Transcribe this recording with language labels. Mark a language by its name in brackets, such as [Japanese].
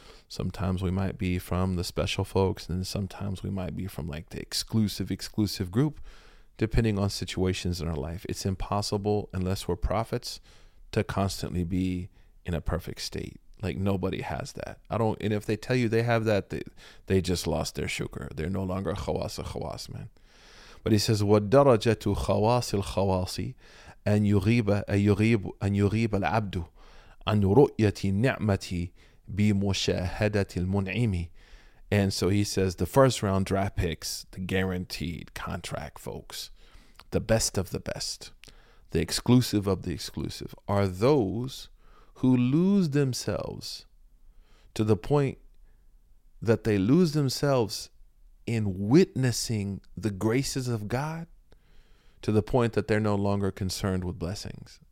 [English] Sometimes we might be from the special folks, and sometimes we might be from like the exclusive group, depending on situations in our life. It's impossible, unless we're prophets, to constantly be in a perfect state. Like, nobody has that. And if they tell you they have that, they just lost their shukr. They're no longer khawas al-khawas, man. But he says, [Arabic] وَدَرَجَةُ خَوَاسِ الْخَوَاسِ أَنْ يُغِيبَ الْعَبْدُ عَنْ رُؤْيَةِ النِّعْمَةِ بِمُشَاهَدَةِ الْمُنْعِمِ. [English] And so he says, the first round draft picks, the guaranteed contract folks, the best of the best, the exclusive of the exclusive, are those who lose themselves to the point that they lose themselves in witnessing the graces of God, to the point that they're no longer concerned with blessings.